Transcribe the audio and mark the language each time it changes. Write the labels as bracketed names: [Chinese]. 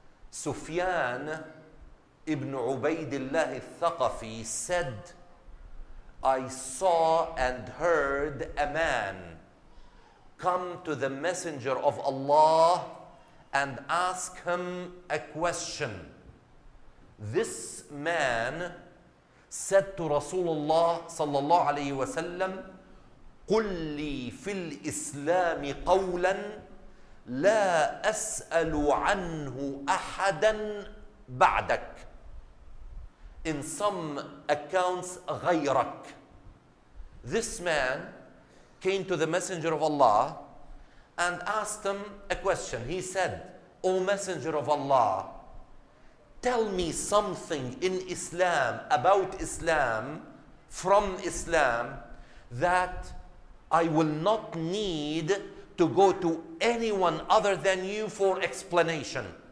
[English] Sufyan ibn Ubaidillah al-Thaqafi said, I saw and heard a man come to the Messenger of Allah and ask him a question. This man said to Rasulullah sallallahu alayhi wa sallam, [Arabic] قل لي في الإسلام قولا لا أسأل عنه أحدا بعدك. [English] In some accounts, غيرك. This man came to the Messenger of Allah and asked him a question. He said, O Messenger of Allah, tell me something in Islam, about Islam, from Islam, that I will not need to go to anyone other than you for explanation.